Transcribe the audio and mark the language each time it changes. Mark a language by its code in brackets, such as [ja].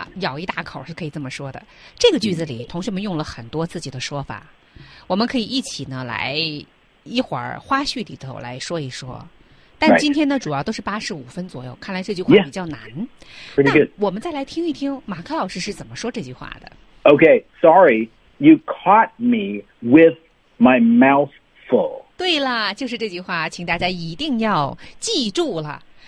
[zh] 咬一大口是可以这么说的。这个句子里同学们用了很多自己的说法。我们可以一起呢来一会儿花絮里头来说一说，但今天呢、 [en] right. [zh] 主要都是85分左右，看来这句话比较难。 [en] Yeah. [zh] 那我们再来听一听马克老师是怎么说这句话的。 [en] Okay, sorry, you caught me with my mouth full. [zh] 对了，就是这句话，请大家一定要记住了。